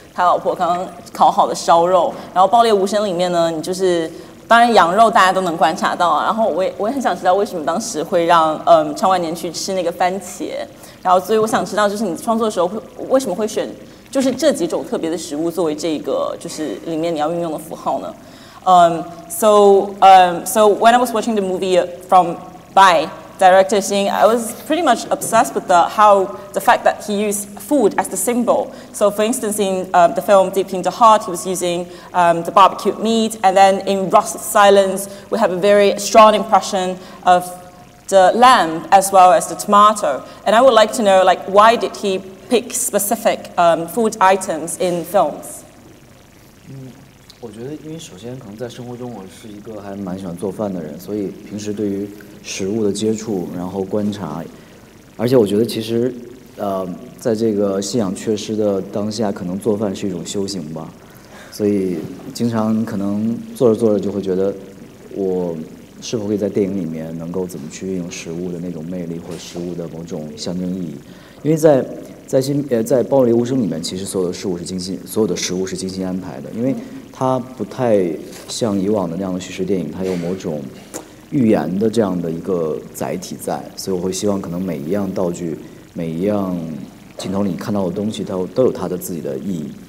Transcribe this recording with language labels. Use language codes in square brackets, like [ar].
[zh] 他老婆刚刚烤好的烧肉，然后《爆裂无声》里面呢，你就是当然羊肉大家都能观察到，然后我也很想知道为什么当时会让昌万年去吃那个番茄，然后所以我想知道就是你创作的时候为什么会选就是这几种特别的食物作为这个就是里面你要运用的符号呢？ [en] So when I was watching the movie by director Xing, I was pretty much obsessed with the fact that he used food as the symbol. So for instance, in the film Deep in the Heart, he was using the barbecued meat, and then in Rust Silence, we have a very strong impression of the lamb as well as the tomato. And I would like to know, like, why did he pick specific food items in films? [zh] 我觉得因为首先可能在生活中我是一个还蛮喜欢做饭的人，所以平时对于食物的接触然后观察，而且我觉得其实在这个信仰缺失的当下，可能做饭是一种修行吧，所以经常可能做着做着就会觉得我是否可以在电影里面能够怎么去运用食物的那种魅力或食物的某种象征意义。因为在《爆裂无声》里面，其实所有的食物是精心安排的，因为它不太像以往的那样的叙事电影，它有某种预言的这样的一个载体在，所以我会希望可能每一样道具、每一样镜头里看到的东西，都有它的自己的意义。